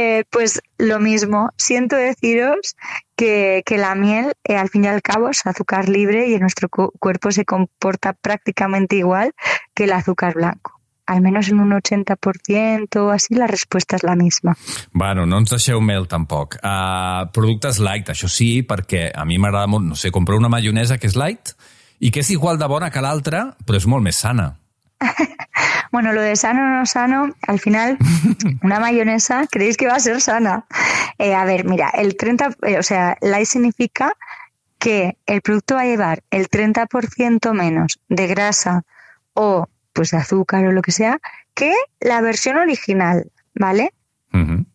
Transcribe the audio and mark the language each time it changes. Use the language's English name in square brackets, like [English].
[Spanish] pues lo mismo, siento deciros que la miel, al fin y al cabo, es azúcar libre y en nuestro cuerpo se comporta prácticamente igual que el azúcar blanco. Al menos en un 80%, así la respuesta es la misma. [Catalan] Bueno, no ens deixeu mel tampoc. Productes light, això sí, perquè a mi m'agrada molt, no sé, comprar una maionesa que és light i que és igual de bona que l'altra, però és molt més sana. [Spanish] Bueno, lo de sano o no sano, al final, una maionesa, ¿creéis que va a ser sana? A ver, mira, el 30, o sea, light significa que el producto va a llevar el 30% menos de grasa o... pues azúcar o lo que sea, que la versión original, ¿vale? Uh-huh.